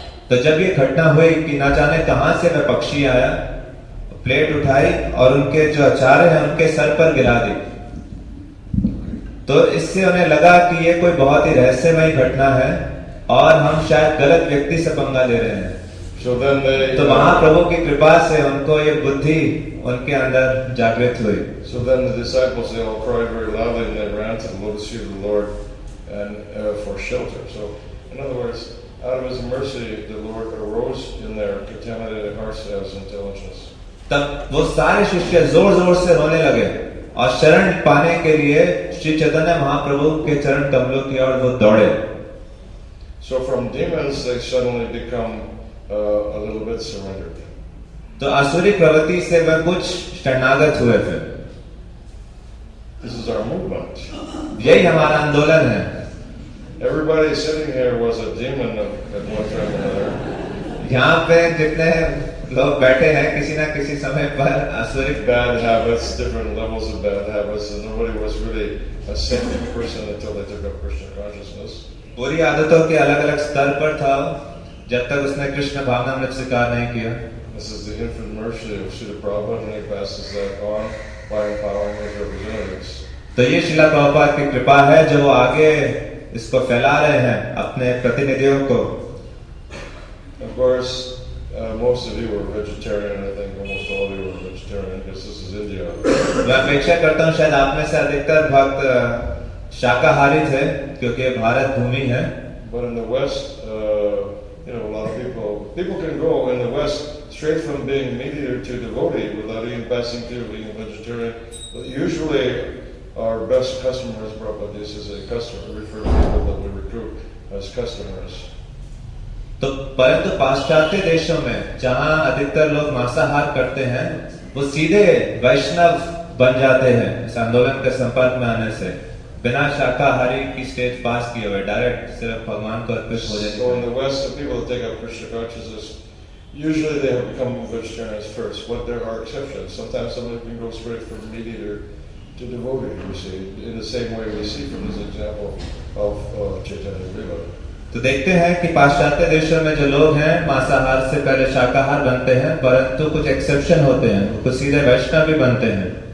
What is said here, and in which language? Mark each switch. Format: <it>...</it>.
<hi>तो जब ये घटना हुई कि ना जाने कहां से वह पक्षी आया, प्लेट उठाई और उनके जो आचार्य हैं उनके सर पर गिरा दी, तो इससे उन्हें लगा कि ये कोई बहुत ही रहस्यमय घटना है और हम शायद गलत व्यक्ति से पंगा ले रहे हैं। तो महाप्रभु की कृपा से उनको ये बुद्धि उनके अंदर जागृत हुई।</hi> <en>In other words, out of his mercy, the Lord arose in their contaminated hearts as intelligence.</en> <hi>तब वो सारे शिष्य जोर-जोर से रोने लगे और शरण पाने के लिए श्री चैतन्य महाप्रभु के चरण कमलों की ओर वो दौड़े।</hi> <en>So from demons, they suddenly become a little bit surrendered.</en> <hi>तो आसुरी प्रवृत्ति से वे कुछ शरणागत हुए थे।</hi> <en>This is our movement.</en> <hi>यही हमारा आंदोलन है।</hi> <en>Everybody sitting here was a demon at one time or another.</en> <hi>यहाँ पे जितने लोग बैठे हैं किसी ना किसी समय पर</hi> <en>आसुरिक bad habits, different levels of bad habits, and nobody was really a saintly person until they took up Krishna consciousness.</en> <hi>बुरी आदतों के अलग-अलग स्तर पर था जब तक उसने कृष्ण भावना में स्वीकार नहीं किया.</hi> <en>This is the infant mercy of Srila Prabhupada, and he passes that on by empowering his representatives.</en> <hi>तो ये श्रीला प्रभुपाद की कृपा है जो वो आगे इसको फैला रहे हैं अपने प्रतिनिधियों को.</hi> <en>Of course, most of you were vegetarian. I think almost all of you were vegetarian because this is India.</en> <hi>मैं अपेक्षा करता हूँ शायद आप में से अधिकतर भक्त शाकाहारी थे क्योंकि भारत भूमि है.</hi> <en>But in the West, you know, a lot of people can go in the West straight from being meat eater to devotee without even passing through being a vegetarian. But usually, our best customers, Prabhupada, this is a customer, refer to people that we recruit as customers.</en> <hi>तो परंतु पाश्चात्य देशों में जहाँ अधिकतर लोग मांसाहार करते हैं वो सीधे वैष्णव बन जाते हैं इस आंदोलन के संपर्क में आने से बिना शाकाहारी की स्टेज पास किए हुए डायरेक्ट सिर्फ भगवान को अर्पित हो जाते हैं.</hi> <en>So in the West, the people that take up Krishna consciousness, usually they have become vegetarians first, but there are exceptions. Sometimes somebody can go straight from meat eater to devotee, you see, in the same way we see from this example of Chaitanya Prabhu.</en> <hi>तो देखते हैं कि पाश्चात्य देशों में जो लोग हैं मांसाहार से पहले शाकाहार बनते हैं परंतु कुछ एक्सेप्शन होते हैं कुछ सीधे वैष्णव भी बनते हैं.</hi>